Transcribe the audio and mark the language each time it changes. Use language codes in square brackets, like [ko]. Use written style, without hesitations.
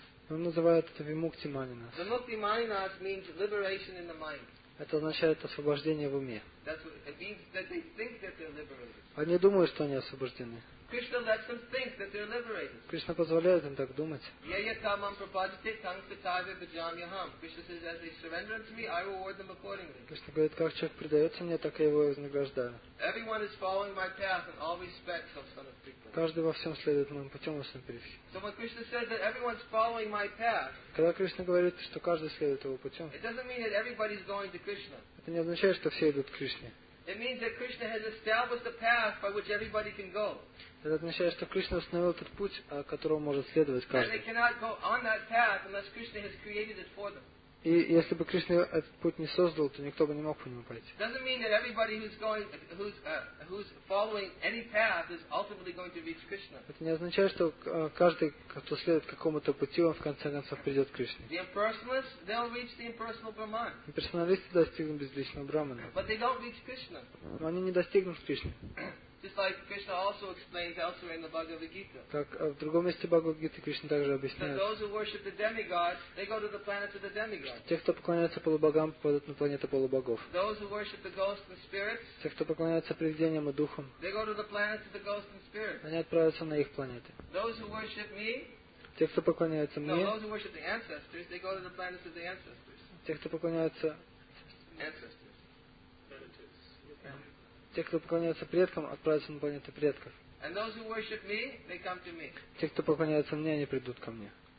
[ru] Он называет это вимукти манинас. [en] Vimukti manas means liberation in the mind. [ru] Это означает освобождение в уме. [en] That's what it means, that they think that they're liberated. [ru] Они думают, что они освобождены. [en] Krishna lets them think that they're liberated. [ru] Кришна позволяет им так думать. [sa] Yaya tamam prapadite tam sataya bhajamyaham. [en] Krishna says, as they surrender unto me, I reward them accordingly. [ru] Кришна говорит, как человек предается мне, так я его и вознаграждаю. [en] Everyone is following my path in all respects, O son of Krishna. [ru] Каждый во всем следует моим путем, Господь Перевхи. [en] So when Krishna says that everyone's following my path, [ru] когда Кришна говорит, что каждый следует его путем, [en] it doesn't mean that everybody's going to Krishna. [ru] Это не означает, что все идут к Кришне. [en] It means that Krishna has established a path by which everybody can go. [ru] Это означает, что Кришна установил этот путь, о котором может следовать каждый. [en] And they cannot go on that path unless Krishna has created it for them. [ru] И если бы Кришна этот путь не создал, то никто бы не мог по нему пойти. [en] It doesn't mean that everybody who's following any path is ultimately going to reach Krishna. [ru] Это не означает, что каждый, кто следует какому-то пути, он в конце концов придет к Кришне. [en] The impersonalists, they'll reach the impersonal Brahman. [ru] Имперсоналисты достигнут безличного Брахмана. [en] But they don't reach Krishna. [ru] Но они не достигнут Кришны. [en] Just like Krishna also explains elsewhere in the Bhagavad Gita. [ru] Как в другом месте Бхагавад Гиты Кришна также объясняет. [en] Those who worship the demigods, they go to the planet of the demigods. [ru] Те, кто поклоняется полубогам, попадут на планету полубогов. [en] Those who worship the ghosts and spirits, [ru] те, кто поклоняется привидениям и духам, [en] they go to the planet of the ghosts and spirits. [ru] Они отправятся на их планеты. [en] Those who worship me, [ru] те, кто поклоняется мне, [en] those who worship the ancestors, they go to the planet of the ancestors. [ru] Те, кто поклоняется [en] ancestors. [ru] Те, кто поклоняется предкам, отправятся на планету предков. [en] Me, [ru] те, кто поклоняется мне, они придут ко мне.